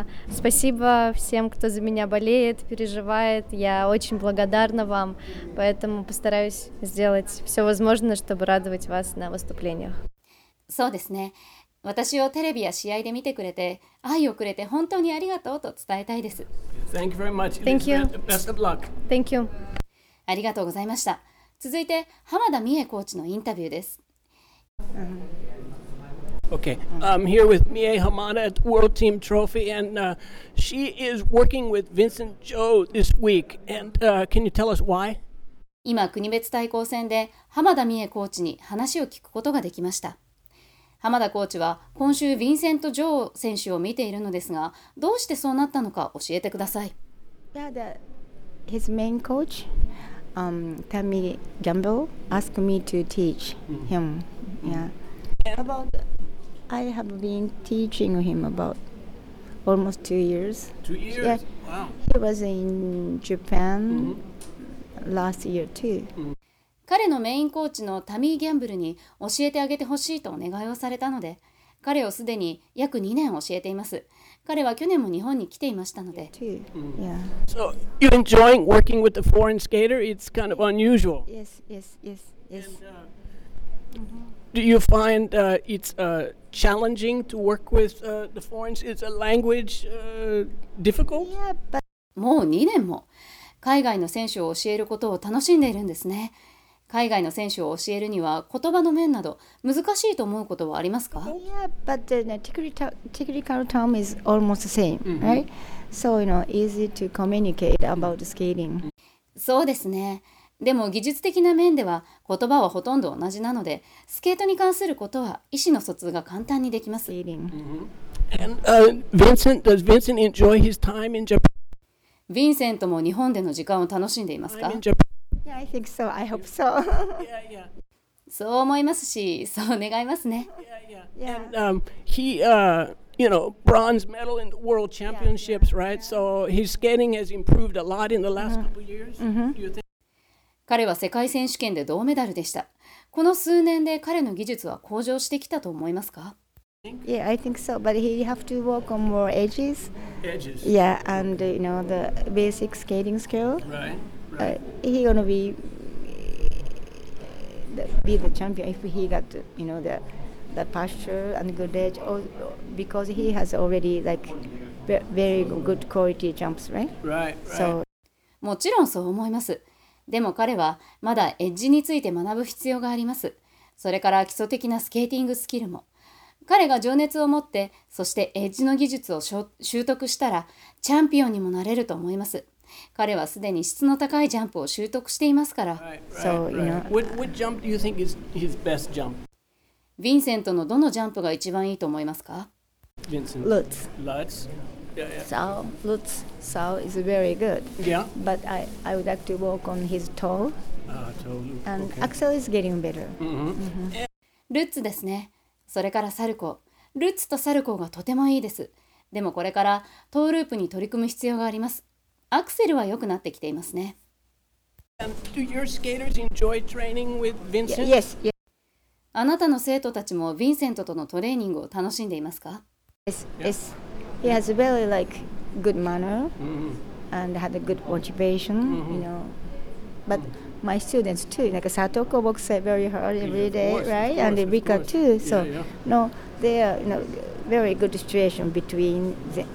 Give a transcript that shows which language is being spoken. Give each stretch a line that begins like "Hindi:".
Russian: Спасибо всем, кто за меня болеет, переживает. Я очень благодарна вам, поэтому постараюсь сделать все возможное, чтобы радовать вас на выступлениях.
Japanese: そうですね。私をテレビや試合で見てくれて、愛をくれて本当にありがとうと伝えたいです。
English: Thank you very much. Thank you. Best of luck. Thank you.
Japanese: ありがとうございました。続いて、浜田美恵コーチのインタビューです。
English: Okay, I'm here with Mie Hamada at World Team Trophy, and she is working with Vincent Zhou this week. And can you tell us why?
Japanese: 今、国別対抗戦で浜田美恵コーチに話を聞くことができました。浜田コーチは今週ヴィンセント・ジョー選手を見ているのですが、どうしてそうなったのか教えてください。
English: Yeah, his main coach, Tammy Gamble, asked me to teach him. Yeah. About, I have been teaching him about almost 2 years. 2 years? Yeah. Wow. He was in Japan last year too.
Japanese: 彼のメインコーチのタミー・ギャンブルに教えてあげてほしいとお願いをされたので、彼をすでに約2年教えています。彼は去年も日本に来ていましたので。
English: So, you're enjoying working with a foreign skater? It's kind of unusual. Yes, yes, yes, yes. And, do you find it's challenging to work with the foreigners? Is a language difficult? Yeah, but...
Japanese: もう2年も海外の選手を教えることを楽しんでいるんですね。海外の選手を教えるには言葉の面など難しいと思うことはありますか?
English: Yeah, but the technical term is almost the same, right? So, you know, easy to communicate about skating.
Japanese: そうですね。でも技術的な面では言葉はほとんど同じなので、スケートに関することは意思の疎通が簡単にできます。
English: Skating. And, Vincent, does Vincent enjoy his time in Japan?
Japanese: ヴィンセントも日本での時間を楽しんでいますか?
English: Yeah, I think so. I hope so. yeah, yeah.
Japanese: そう思いますし、そう願いますね。
English: Yeah, yeah. And, he, you know, bronze medal in the world championships, yeah, yeah, right? Yeah. So his skating has improved a lot in the last couple years.
Japanese: 彼は世界選手権で銅メダルでした。この数年で彼の技術は向上してきたと思いますか?
English: Yeah, I think so. But he have to work on more edges. Edges. Yeah, and you know the basic skating skill. Right. He's gonna be the champion if he got, you know, the posture and good edge, because he has already like very good quality jumps, right? Right. So.
Japanese: もちろんそう思います。でも彼はまだエッジについて学ぶ必要があります。それから基礎的なスケーティングスキルも。彼が情熱を持って、そしてエッジの技術を習得したら、チャンピオンにもなれると思います。彼はすでに質の高いジャンプを習得していますから。
English: So, you know, what jump do you think is his best jump?
Japanese: ヴィンセントのどのジャンプが一番いいと思いますか?
English: Vincent. Lutz. Lutz. Yeah, yeah. So, Lutz. So is very good. Yeah. But I would like to work on his toe. Toe. And Axel is getting better.
Japanese: ルッツですね。それからサルコー。ルッツとサルコーがとてもいいです。でもこれからトーループに取り組む必要があります。アクセルは良くなってきていますね。
English: Do your skaters enjoy training with Vincent? Yes, yes.
Japanese: あなたの生徒たちもヴィンセントとのトレーニングを楽しんでいますか?
English: Yes, yes. He has a very like good manner and had a good motivation, you know. But my students too, like Satoko works very hard every day, right? And Rika too. So, no, they are, you know, very good situation between them.